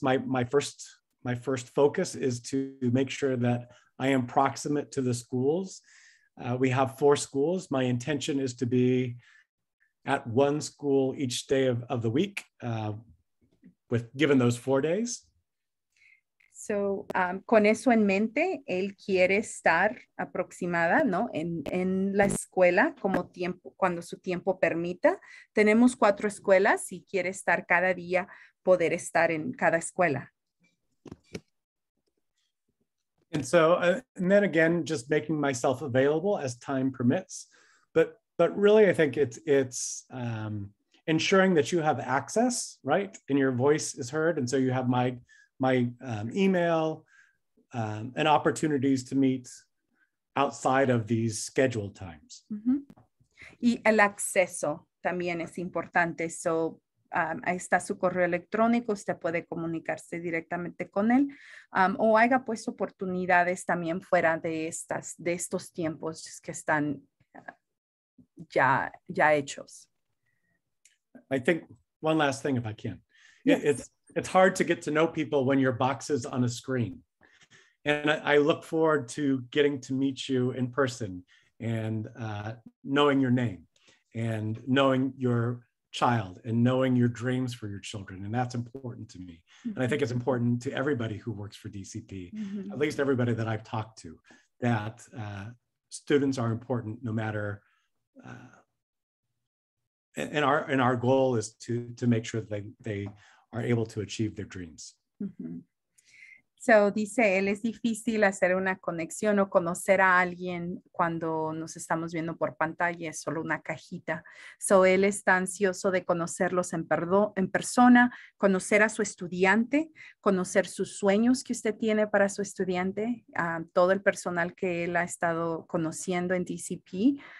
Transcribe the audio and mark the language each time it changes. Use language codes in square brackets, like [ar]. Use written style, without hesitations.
[en] My first focus is to make sure that I am proximate to the schools. We have 4 schools. My intention is to be at one school each day of the week, given those 4 days. [es] So con eso en mente, él quiere estar aproximada, ¿no? En la escuela como tiempo, cuando su tiempo permita. Tenemos 4 escuelas y quiere estar cada día, poder estar en cada escuela. [en] And so, and then again, just making myself available as time permits, but really I think it's ensuring that you have access, right? And your voice is heard. And so you have my email and opportunities to meet outside of these scheduled times. [es] Mm-hmm. Y el acceso también es importante. So ahí está su correo electrónico, usted puede comunicarse directamente con él, o haya pues oportunidades también fuera de estos tiempos que están ya hechos. [en] I think one last thing if I can. Yes. It's hard to get to know people when your box is on a screen. And I look forward to getting to meet you in person and knowing your name and knowing your child and knowing your dreams for your children. And that's important to me. Mm-hmm. And I think it's important to everybody who works for DCP, mm-hmm. at least everybody that I've talked to, that students are important no matter, and our goal is to make sure that they are able to achieve their dreams. Mm-hmm. [es] So dice él, es difícil hacer una conexión o conocer a alguien cuando nos estamos viendo por pantalla, es solo una cajita. So él está ansioso de conocerlos en persona, conocer a su estudiante, conocer sus sueños que usted tiene para su estudiante, todo el personal que él ha estado conociendo en DCP.